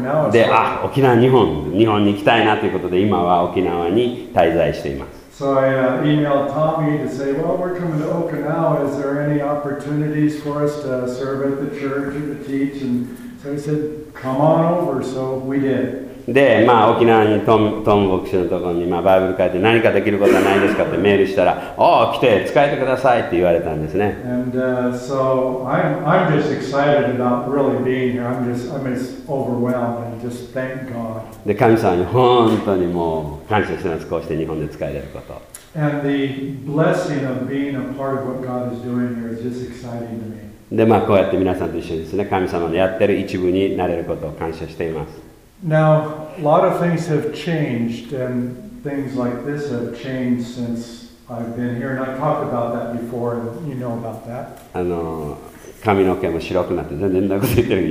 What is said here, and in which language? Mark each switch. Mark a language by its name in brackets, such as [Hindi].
[Japanese] で、あ、沖縄、日本に行きたいなということで、今は沖縄に滞在しています。 [English] So I emailed Tommy to say, well, we're coming to Okinawa. Is there any opportunities for us to serve at the church and to teach? And so he said, come on over. So we did. [Japanese] で、まあ、沖縄にトム牧師のところに、まあ、バイブル書いて何かできることはないですかってメールしたら、おお、来て使えてくださいって言われたんですね。 [English] And, so I'm just excited about really being here. I'm just overwhelmed and just thank God. [Japanese] で、神様に本当にもう感謝してます。こうして日本で使えてること。 [English] And the blessing of being a part of what God is doing here is just exciting to me. [Japanese] で、まあ、こうやって皆さんと一緒にですね、神様のやってる一部になれることを感謝しています。 [English] Now, a lot of things have changed, and things like this have changed since I've been here, and I talked about that before, and you know about that. [Japanese] 髪の毛も白くなって、全然なくなってる。